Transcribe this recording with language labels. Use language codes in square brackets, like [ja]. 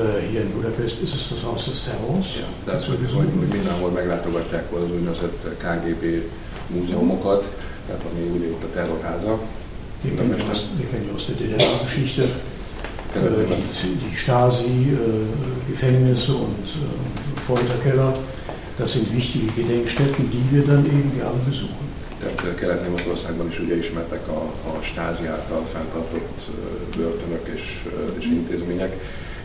[de] Hier in Budapest ist es das Haus des Terrors. Ja, das wird so, [hu] hogy mindenhol meglátogatják az úgynevezett KGB múzeumokat, tehát ami ugye ott a terrorháza. [de] Wir kennen aus der DDR-Geschichte die Stasi-Gefängnisse und Folterkeller. Das sind wichtige Gedenkstätten, die wir dann eben gerne besuchen. [hu] Tehát Kelet-Németországban is ugye ismertek a Stasi által fenntartott börtönök és intézmények.